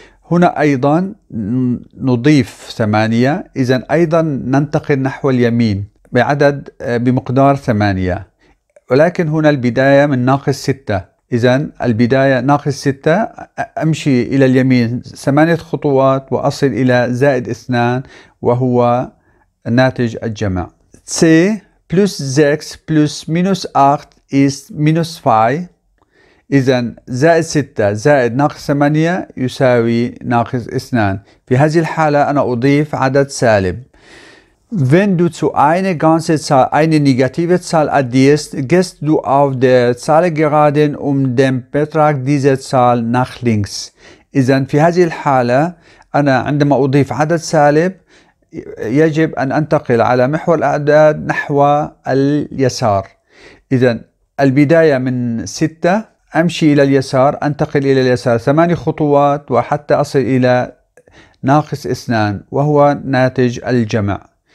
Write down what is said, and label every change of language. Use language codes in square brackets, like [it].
[ar] هنا أيضا نضيف 8، إذا أيضا ننتقل نحو اليمين بعدد بمقدار 8، ولكن هنا البداية من ناقص 6، إذا البداية ناقص 6، أمشي إلى اليمين 8 خطوات وأصل إلى زائد 2 وهو ناتج الجمع. [de] C plus 6 plus minus 8 is minus 5. [ar] إذا زائد 6 زائد ناقص 8 يساوي ناقص 2. في هذه الحالة أنا أضيف عدد سالب. [de] Wenn du zu einer ganzen Zahl eine negative Zahl addierst, gehst du auf der Zahlengerade um den Betrag dieser Zahl nach links. [ar] إذا في هذه الحالة أنا عندما أضيف عدد سالب يجب أن أنتقل على محور الأعداد نحو اليسار. إذا البداية من 6، أمشي إلى اليسار، أنتقل إلى اليسار 8 خطوات وحتى أصل إلى ناقص 2 وهو ناتج الجمع.